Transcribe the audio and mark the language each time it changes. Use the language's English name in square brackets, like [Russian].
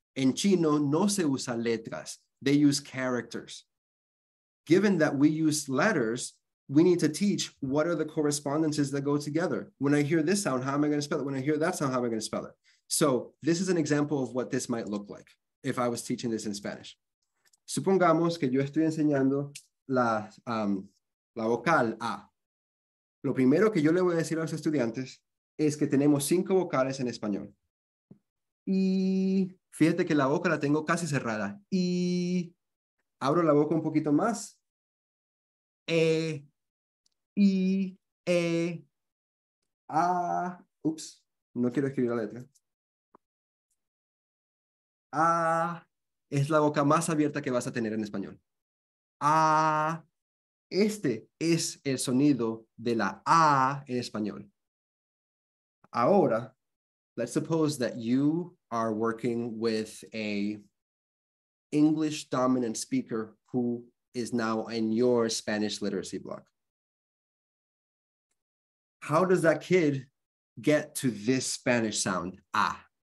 [Spanish] En chino no se usa letras. [English] They use characters. Given that we use letters, we need to teach what are the correspondences that go together. When I hear this sound, how am I going to spell it? When I hear that sound, how am I going to spell it? So this is an example of what this might look like if I was teaching this in Spanish. [Spanish] Supongamos que yo estoy enseñando la vocal A. Lo primero que yo le voy a decir a los estudiantes es que tenemos cinco vocales en español. Y fíjate que la boca la tengo casi cerrada. Y abro la boca un poquito más. E, I, E, A. Ups, no quiero escribir la letra. A es la boca más abierta que vas a tener en español. A. Este es el sonido de la A en español. [English] Ahora, let's suppose that you are working with a English dominant speaker who is now in your Spanish literacy block. How does that kid get to this Spanish sound, A?